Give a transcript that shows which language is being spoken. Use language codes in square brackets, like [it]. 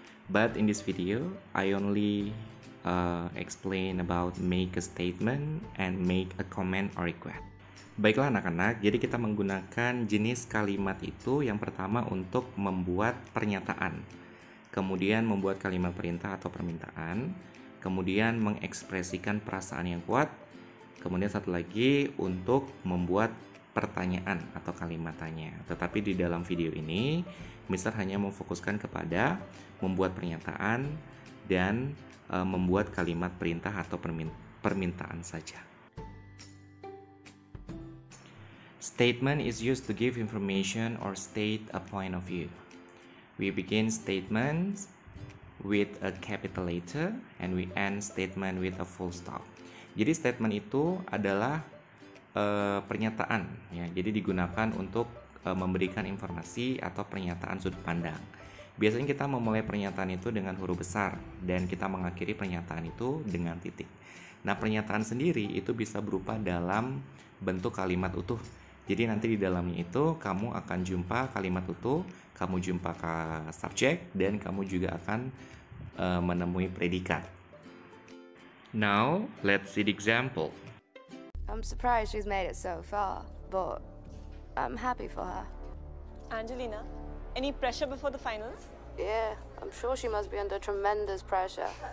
[en] But in this video, I only explain about make a statement and make a comment or request. [id] Baiklah anak-anak, jadi kita menggunakan jenis kalimat itu yang pertama untuk membuat pernyataan. Kemudian membuat kalimat perintah atau permintaan. Kemudian mengekspresikan perasaan yang kuat. Kemudian satu lagi untuk membuat pertanyaan atau kalimat tanya. Tetapi di dalam video ini, Mister hanya memfokuskan kepada membuat pernyataan dan membuat kalimat perintah atau permintaan saja. [en] Statement is used to give information or state a point of view. We begin statements with a capital letter and we end statement with a full stop. [id] Jadi statement itu adalah pernyataan, ya. Jadi digunakan untuk memberikan informasi atau pernyataan sudut pandang. Biasanya kita memulai pernyataan itu dengan huruf besar dan kita mengakhiri pernyataan itu dengan titik. Nah, pernyataan sendiri itu bisa berupa dalam bentuk kalimat utuh. Jadi nanti di dalamnya itu kamu akan jumpa kalimat utuh, kamu jumpa subjek, dan kamu juga akan menemui predikat. [en] Now, let's see the example. I'm surprised she's made it so far, but I'm happy for her. Angelina, any pressure before the finals? Yeah, I'm sure she must be under tremendous pressure.